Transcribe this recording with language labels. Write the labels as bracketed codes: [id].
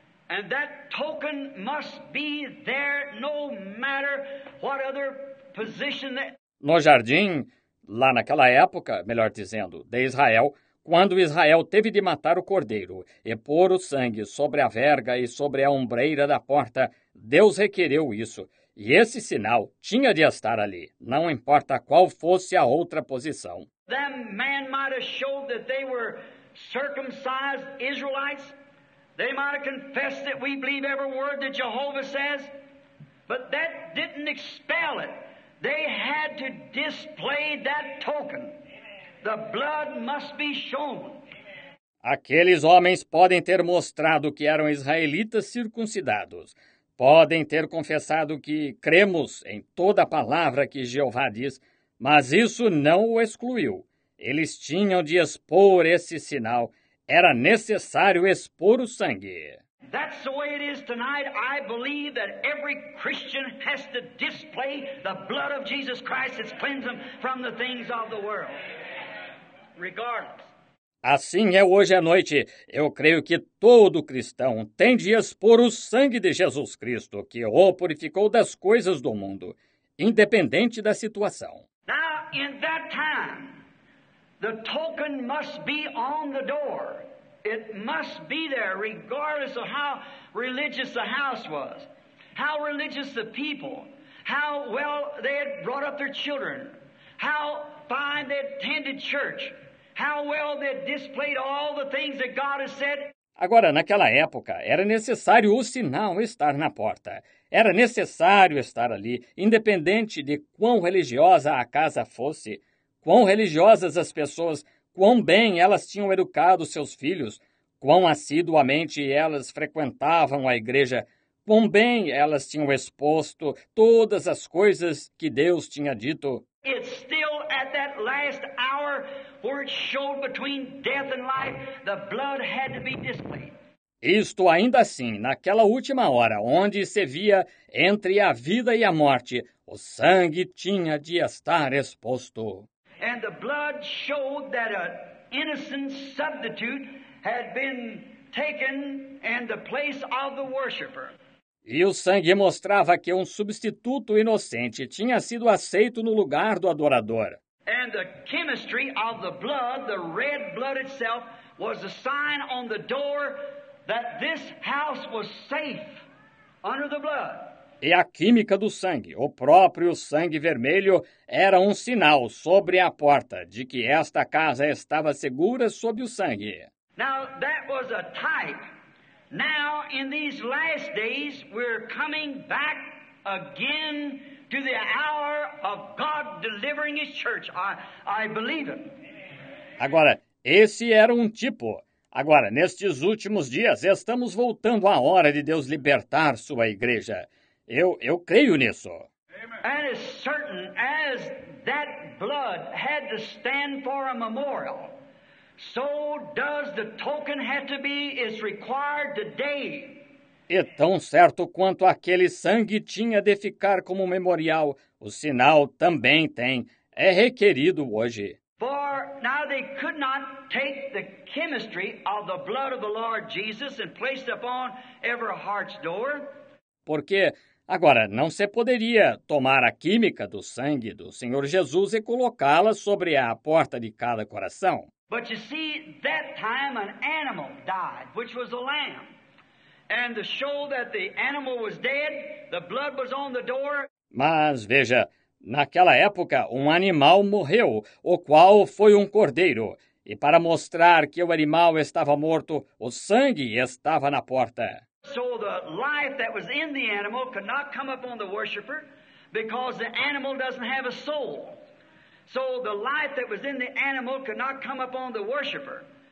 [en] And that token must be there, no matter what other position that... [pt] No jardim, lá naquela época, melhor dizendo, de Israel, quando Israel teve de matar o cordeiro e pôr o sangue sobre a verga e sobre a ombreira da porta, Deus requereu isso. E esse sinal tinha de estar ali, não importa qual fosse a outra posição. [en] Then man might have showed that they were circumcised Israelites. They might have confessed that we believe every word that Jehovah says, but that didn't expel it. They had to display that token. The blood must be shown. [pt] Aqueles homens podem ter mostrado que eram israelitas circuncidados. Podem ter confessado que cremos em toda a palavra que Jeová diz, mas isso não o excluiu. Eles tinham de expor esse sinal. Era necessário expor o sangue. [en] That's the way it is tonight. I believe that every Christian has to display the blood of Jesus Christ that cleanses them from the things of the world. Regardless. [pt] Assim é hoje à noite. Eu creio que todo cristão tem de expor o sangue de Jesus Cristo, que o purificou das coisas do mundo, independente da situação. [en] Now, in that time, the token must be on the door. It must be there, regardless of how religious the house was, how religious the people, how well they had brought up their children, how fine they attended church, how well they displayed all the things that God has said. [pt] Agora, naquela época, era necessário o sinal estar na porta. Era necessário estar ali, independente de quão religiosa a casa fosse, quão religiosas as pessoas, quão bem elas tinham educado seus filhos, quão assiduamente elas frequentavam a igreja, quão bem elas tinham exposto todas as coisas que Deus tinha dito. [en] It's still at that last hour where it showed between death and life, the blood had to be displayed. [pt] Isto ainda assim, naquela última hora, onde se via entre a vida e a morte, o sangue tinha de estar exposto. [en] And the blood showed that an innocent substitute had been taken in the place of the worshiper. [pt] E o sangue mostrava que um substituto inocente tinha sido aceito no lugar do adorador. [en] And the chemistry of the blood, the red blood itself, was a sign on the door that this house was safe under the blood. [pt] E a química do sangue, o próprio sangue vermelho, era um sinal sobre a porta de que esta casa estava segura sob o sangue. [en] Now that was a type. Now in these last days we're coming back again to the hour of God delivering his church. I believe it. [pt] Agora, esse era um tipo. Agora, nestes últimos dias, estamos voltando à hora de Deus libertar sua igreja. Eu creio nisso. [en] And as certain as that blood had to stand for a memorial, so does the token have to be is required today. [pt] E tão certo quanto aquele sangue tinha de ficar como memorial, o sinal também tem. É requerido hoje. [en] For now they could not take the chemistry of the blood of the Lord Jesus and place it upon every heart's door. [pt] Porque agora não se poderia tomar a química do sangue do Senhor Jesus e colocá-la sobre a porta de cada coração. [en] But you see, that time an animal died, which was a lamb. And to show that the animal was dead, the blood was on the door. [pt] Mas veja, naquela época um animal morreu, o qual foi um cordeiro. E para mostrar que o animal estava morto, o sangue estava na porta. [en] So the life that was in the animal could not come up on the worshiper because the animal doesn't have a soul. So the life that was in the animal could not come up on the worshiper.